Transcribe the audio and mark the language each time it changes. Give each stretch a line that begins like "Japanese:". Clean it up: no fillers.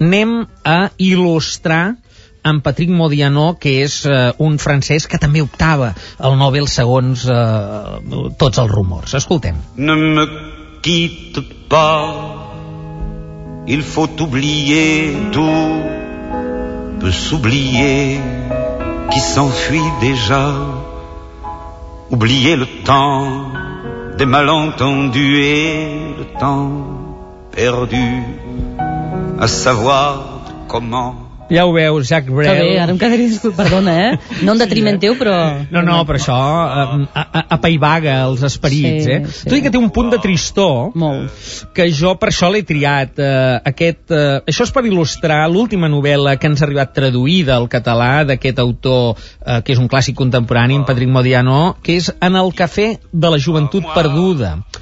Catalan: Anem a il·lustrar en Patrick Modiano, que és un francès que també optava el Nobel segons tots els rumors. Escoltem.
French: No me quitte pas, il faut oublier tout, peut s'oublier qui s'enfuit déjà, oublier le temps des malentendus et le temps perdu, à savoir comment.
Catalan: Ja ho veus, Jacques Brel. Que bé, ara em quedaria... Perdona, No en detriment teu, però... No, però això apaivaga els esperits, sí, Tu dic que té un punt de tristor... Molt. Que jo per això l'he triat. Això és per il·lustrar l'última novel·la que ens ha arribat traduïda al català d'aquest autor, que és un clàssic contemporani, en Patrick Modiano, que és En el cafè de la joventut perduda.